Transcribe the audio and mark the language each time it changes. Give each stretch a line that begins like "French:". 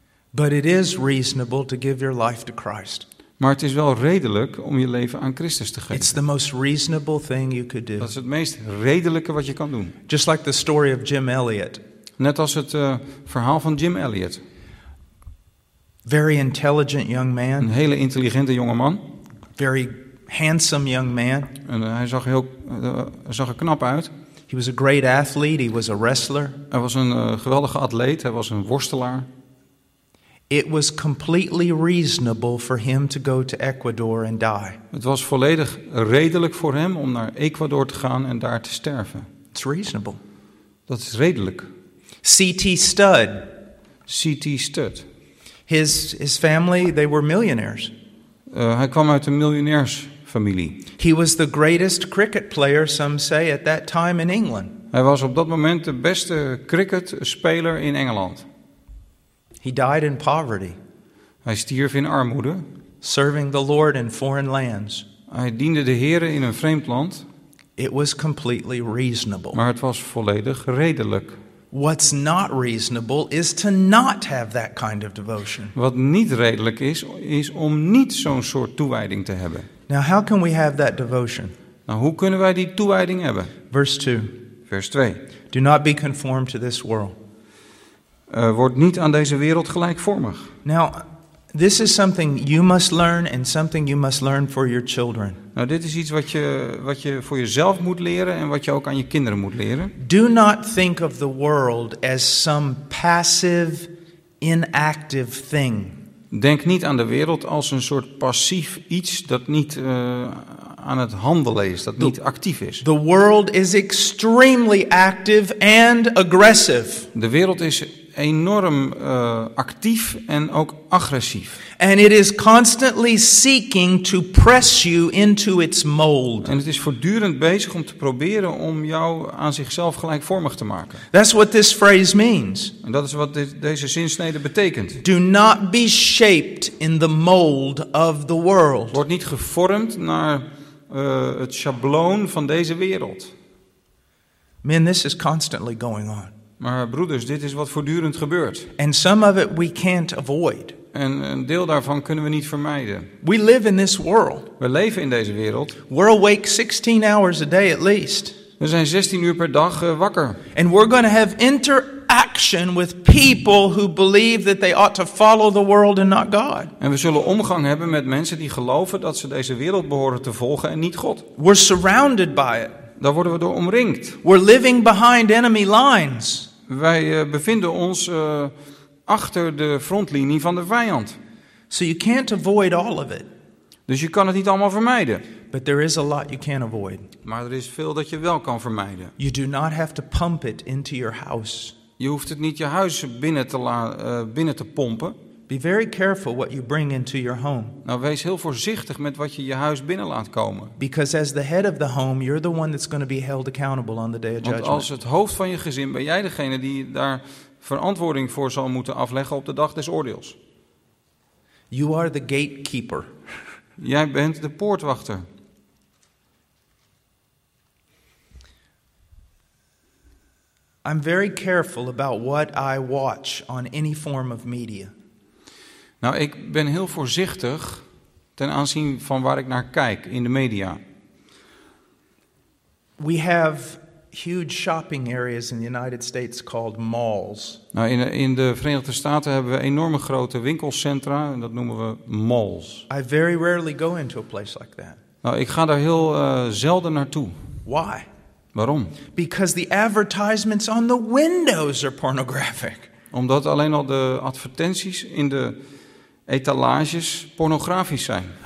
English: But it is reasonable to give your life to Christ.
Dutch: Maar het is wel redelijk om je leven aan Christus te geven.
English: It's the most reasonable thing you could do.
Dutch: Dat is het meest redelijke wat je kan doen.
English: Just like the story of Jim Elliot.
Dutch: Net als het verhaal van Jim Elliot.
English: Very intelligent young man.
Dutch: Een hele intelligente jonge man.
English: Very handsome young man.
Dutch: En hij zag heel zag er knap uit.
English: He was a great athlete. He was a wrestler.
Dutch: Hij was een geweldige atleet. Hij was een worstelaar.
English: It was completely reasonable for him to go to Ecuador and die.
Dutch: Het was volledig redelijk voor hem om naar Ecuador te gaan en daar te sterven.
English: It's reasonable.
Dutch: Dat is redelijk.
English: C.T. Studd.
Dutch: C.T. Studd.
English: His family, they were millionaires.
Dutch: Hij kwam uit een miljonairsfamilie.
English: He was the greatest cricket player, some say, at that time in England.
Dutch: Hij was op dat moment de beste cricketspeler in Engeland.
English: He died in poverty.
Dutch: Hij stierf in armoede.
English: Serving the Lord in foreign lands.
Dutch: Hij diende de Heere in een vreemd land.
English: It was completely reasonable.
Dutch: Maar het was volledig redelijk.
English: What's not reasonable is to not have that kind of devotion.
Dutch: Wat niet redelijk is, is om niet zo'n soort toewijding te hebben.
English: Now how can we have that devotion?
Dutch: Nou, hoe kunnen wij die toewijding hebben?
English: Verse 2.
Dutch: Vers 2.
English: Do not be conformed to this world.
Dutch: Word niet aan deze wereld gelijkvormig.
English: Now, this is something you must learn and something you must learn for your children.
Dutch: Nou, dit is iets wat je voor jezelf moet leren en wat je ook aan je kinderen moet leren.
English: Do not think of the world as some passive, inactive thing.
Dutch: Denk niet aan de wereld als een soort passief iets dat niet aan het handelen is, dat niet actief is.
English: The world is extremely active and aggressive.
Dutch: De wereld is enorm actief en ook agressief.
English: And it is constantly seeking to press you into its mold.
Dutch: En het is voortdurend bezig om te proberen om jou aan zichzelf gelijkvormig te maken.
English: That's what this phrase means.
Dutch: En dat is wat deze zinsnede betekent.
English: Do not be shaped in the mold of the world.
Dutch: Word niet gevormd naar het schabloon van deze wereld.
English: Man, this is constantly going on.
Dutch: Maar broeders, dit is wat voortdurend gebeurt.
English: And some of it we can't avoid.
Dutch: En een deel daarvan kunnen we niet vermijden.
English: We live in this world.
Dutch: We leven in deze wereld.
English: We're awake 16 hours a day at least.
Dutch: We zijn 16 uur per dag wakker.
English: And we're going to have interaction with people who believe that they ought to follow the world and not God.
Dutch: En we zullen omgang hebben met mensen die geloven dat ze deze wereld behoren te volgen en niet God.
English: We're surrounded by it.
Dutch: Daar worden we door omringd.
English: We're living behind enemy lines.
Dutch: Wij bevinden ons achter de frontlinie van de vijand.
English: So you can't avoid all of it.
Dutch: Dus je kan het niet allemaal vermijden.
English: But there is a lot you can't avoid.
Dutch: Maar er is veel dat je wel kan vermijden.
English: You do not have to pump it into your house.
Dutch: Je hoeft het niet je huis binnen te pompen.
English: Be very careful what you bring into your home.
Dutch: Nou, wees heel voorzichtig met wat je huis binnen laat komen.
English: Because as the head of the home, you're the one that's going to be held accountable on the day of judgment.
Dutch: Want als het hoofd van je gezin, ben jij degene die daar verantwoording voor zal moeten afleggen op de dag des oordeels.
English: You are the gatekeeper.
Dutch: Jij bent de poortwachter.
English: I'm very careful about what I watch on any form of media.
Dutch: Nou, ik ben heel voorzichtig ten aanzien van waar ik naar kijk in de media.
English: We have huge shopping areas in the United States called malls.
Dutch: Nou, in de Verenigde Staten hebben we enorme grote winkelcentra en dat noemen we malls.
English: I very rarely go into a place like that.
Dutch: Nou, ik ga daar heel zelden naartoe.
English: Why?
Dutch: Waarom?
English: Because the advertisements on the windows are pornographic.
Dutch: Omdat alleen al de advertenties in de etalages pornografisch zijn.